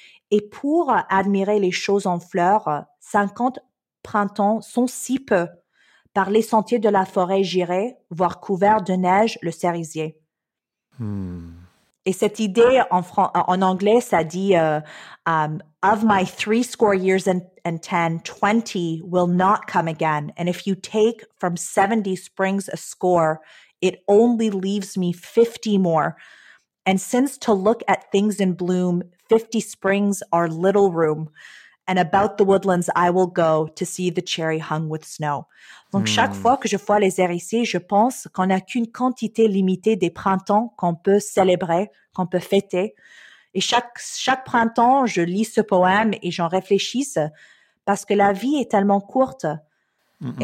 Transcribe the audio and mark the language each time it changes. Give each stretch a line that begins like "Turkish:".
French: Et pour admirer les choses en fleurs, 50 printemps sont si peu. Par les sentiers de la forêt, j'irai voir couvert de neige le cerisier. Hmm. Et cette idée, en anglais, ça dit
English: « Of my 70 years and 10, 20 will not come again. And if you take from 70 springs a score, it only leaves me 50 more. And since to look at things in bloom, 50 springs are little room. And about the woodlands, I will go to see the cherry hung with snow.
French: » Donc, chaque fois que je vois les hérissiers, je pense qu'on n'a qu'une quantité limitée des printemps qu'on peut célébrer, qu'on peut fêter. Et chaque printemps, je lis ce poème et j'en réfléchis parce que la vie est tellement courte. Mm-hmm.